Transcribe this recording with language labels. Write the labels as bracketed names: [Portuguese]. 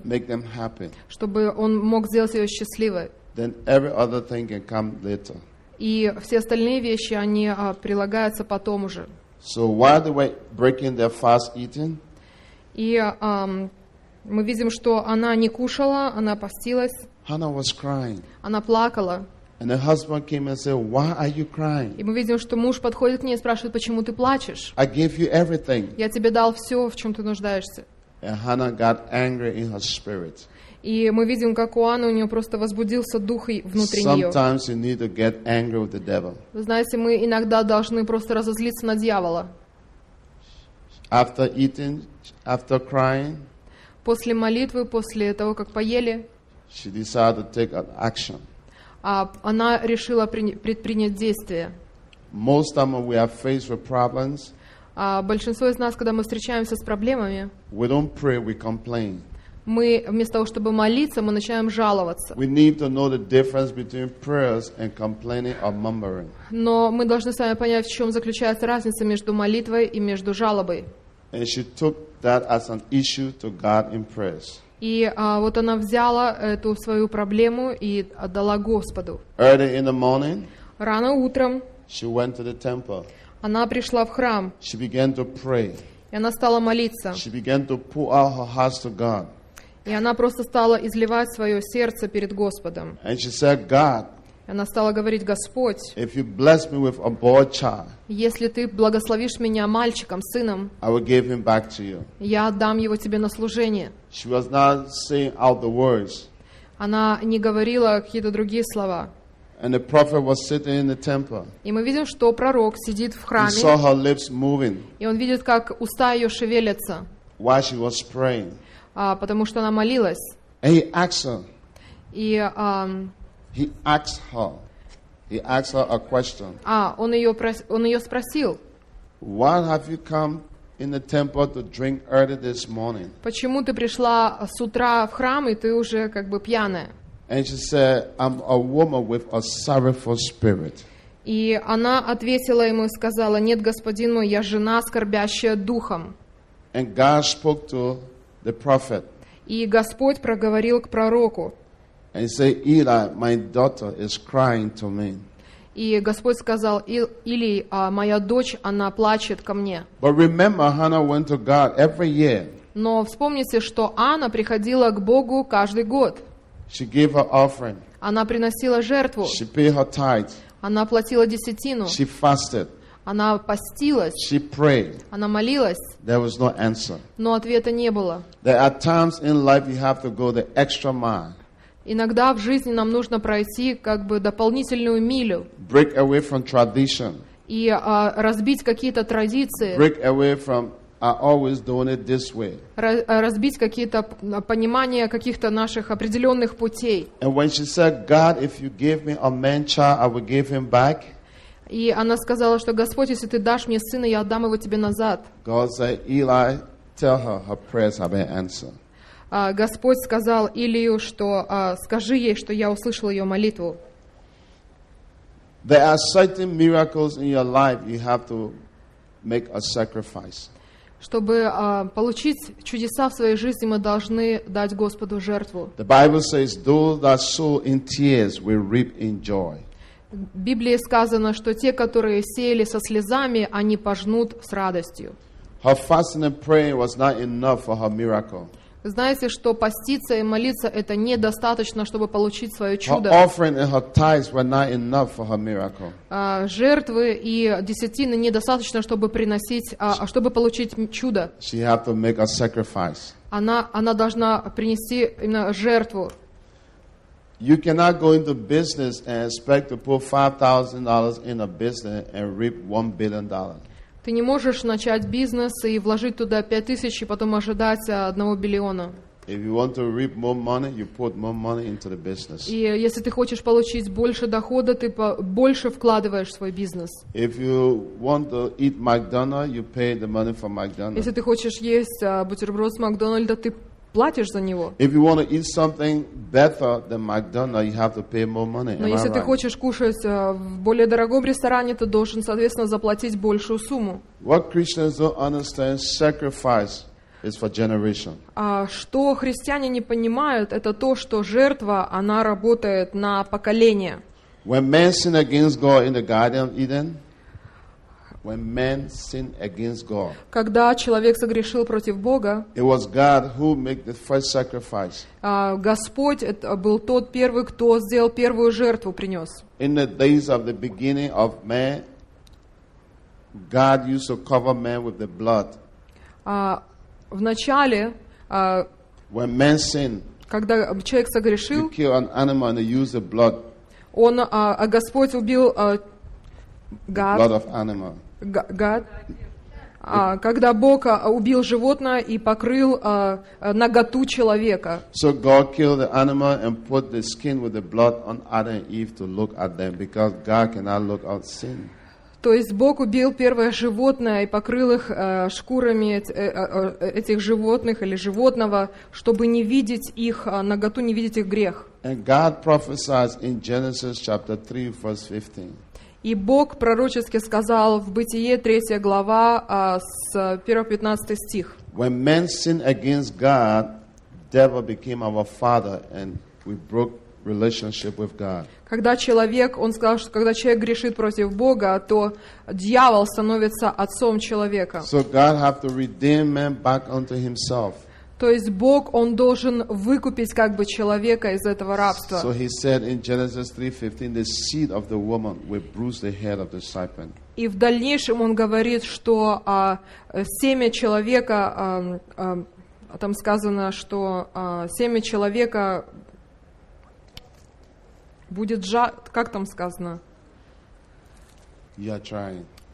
[English] Make them happy. [Russian] Чтобы он мог сделать ее счастливой. [English] Then every other thing can come later. [Russian] И все остальные вещи, они прилагаются потом уже. [English] So while they were breaking their fast eating, [Russian] и мы видим, что она не кушала, она постилась. [English] Hannah was crying. [Russian] Она плакала. [English] And her husband came and said, "Why are you crying?" [Russian] И мы видим, что муж подходит к ней и спрашивает, почему ты плачешь? [English] I gave you everything. [Russian] Я тебе дал все, в чем ты нуждаешься. [English] And Hannah got angry in her spirit. [Russian] И мы видим, как у Анны у нее просто возбудился дух внутри [English] Sometimes you need to get angry with the devil. [Russian] Вы знаете, мы иногда должны просто разозлиться на дьявола. [English] After eating, after crying. [Russian] После молитвы, после того, как поели. [English] She decided to take action. [Russian] Она решила предпринять действие. [English] Most of them we are faced with problems. [Russian] Большинство из нас, когда мы встречаемся с проблемами, [English] we don't pray, we complain. [Russian] Мы вместо того, чтобы молиться, мы начинаем жаловаться. [English] We need to know the difference between prayers and complaining or murmuring. [Russian] Но мы должны с вами понять, в чем заключается разница между молитвой и между жалобой. [English] And she took that as an issue to God in prayers. [Russian] И вот она взяла эту свою проблему и отдала Господу. [English] Early in the morning, [Russian] рано утром [English] she went to the temple. [Russian] Она пришла в храм. [English] She began to pray. [Russian] И она стала молиться. [English] She began to pour out her heart to God. [Russian] И она просто стала изливать свое сердце перед Господом. [English] And she said, God, [Russian] и она стала говорить, Господь, [English] if you bless me with a boy child, [Russian] если ты благословишь меня мальчиком, сыном, [English] I will give him back to you. [Russian] Я отдам его тебе на служение. [English] She was not saying out the words. [Russian] Она не говорила какие-то другие слова. [English] And the prophet was sitting in the temple. [Russian] И мы видим, что пророк сидит в храме. [English] He saw her lips moving. [Russian] И он видит, как уста ее шевелятся. [English] While she was praying. [Russian] Потому что она молилась. [English] And he asked her. [Russian] И [English] He asked her a question. [Russian] Он ее спросил. [English] Why have you come in the temple to drink early this morning? [Russian] Почему ты пришла с утра в храм и ты уже как бы пьяная? [English] And she said, I'm a woman with a sorrowful spirit. [Russian] И она ответила ему и сказала: Нет, господин мой, я жена скорбящая духом. [English] And God spoke to the prophet. [Russian] И Господь проговорил к пророку. [English] And he said, Eli, my daughter is crying to me. [Russian] И Господь сказал, Или, моя дочь, она плачет ко мне. [English] But remember, Hannah went to God every year. [Russian] Но вспомните, что Анна приходила к Богу каждый год. [English] She gave her offering. [Russian] Она приносила жертву. [English] She paid her tithe. [Russian] Она платила десятину. [English] She fasted. [Russian] Она постилась. [English] She prayed. [Russian] Она молилась. [English] There was no answer. [Russian] Но ответа не было. [English] There are times in life you have to go the extra mile. [Russian] Иногда в жизни нам нужно пройти как бы дополнительную милю. [English] Break away from tradition. [Russian] И разбить какие-то традиции. [English] Break away from I always doing it this way. [Russian] Разбить какие-то понимания каких-то наших определенных путей. [English] And when she said, God, if you give me a man child, I will give him back. [Russian] И она сказала, что Господь, если ты дашь мне сына, я отдам его тебе назад. [English] God said, Eli, tell her her prayers have been answered. [Russian] Господь сказал Илию, что скажи ей, что я услышал ее молитву. [English] There are certain miracles in your life you have to make a sacrifice. [Russian] Чтобы получить чудеса в своей жизни, мы должны дать Господу жертву. [English] The Bible says, though that soul in tears will reap in joy. [Russian] В Библии сказано, что те, которые сеяли со слезами, они пожнут с радостью. [English] Her fasting and praying was not enough for her miracle. [Russian] Знаете, что поститься и молиться – это недостаточно, чтобы получить свое чудо. [English] Her offering and her tithes were not enough for her miracle. [Russian] Жертвы и десятины недостаточно, чтобы приносить, чтобы получить чудо. [English] She had to make a sacrifice. [Russian] Она должна принести именно жертву. [English] You cannot go into business and expect to put $5,000 in a business and reap $1 billion. [Russian] Ты не можешь начать бизнес и вложить туда 5000 и потом ожидать 1 billion. [English] If you want to reap more money, you put more money into the business. [Russian] И если ты хочешь получить больше дохода, ты больше вкладываешь в свой бизнес. [English] If you want to eat McDonald's, you pay the money for McDonald's. [Russian] Если ты хочешь есть бутерброд с Макдональда, ты платишь за него. [English] If you want to eat something better than McDonald's, you have to pay more money. [Russian] Но если ты хочешь кушать в более дорогом ресторане, ты должен, соответственно, заплатить большую сумму. [English] What Christians don't understand, sacrifice is for generation. [Russian] Что христиане не понимают, это то, что жертва, она работает на поколение. [English] When man sinned against God in the Garden of Eden, when man sinned against God, [Russian] когда человек согрешил против Бога, [English] it was God who made the first sacrifice. [Russian] Господь был тот первый, кто сделал первую жертву, принес. [English] In the days of the beginning of man, God used to cover man with the blood. [Russian] В начале, [English] when man sinned, [Russian] когда человек согрешил, [English] you kill an animal and you use the blood. [Russian] Он, Господь убил God, [English] the blood of animal. God. [Russian] Когда Бог убил животное и покрыл наготу человека. [English] So God killed the animal and put the skin with the blood on Adam and Eve to look at them, because God cannot look at sin. [Russian] То есть Бог убил первое животное и покрыл их шкурами этих животных или животного, чтобы не видеть их наготу, не видеть их грех. [English] And God prophesied in Genesis chapter 3, verse 15. [Russian] И Бог пророчески сказал в Бытие, 3 глава, с 1-15 стих. [English] When man sinned against God, devil became our father, and we broke relationship with God. [Russian] Когда человек, он сказал, что когда человек грешит против Бога, то дьявол становится отцом человека. [English] So God had to redeem man back unto himself. [Russian] То есть Бог, он должен выкупить как бы человека из этого рабства. [English] So he said in Genesis 3:15, the seed of the woman will bruise the head of the serpent. [Russian] И в дальнейшем он говорит, что семя человека, там сказано, что семя человека будет как там сказано? [English] You're trying.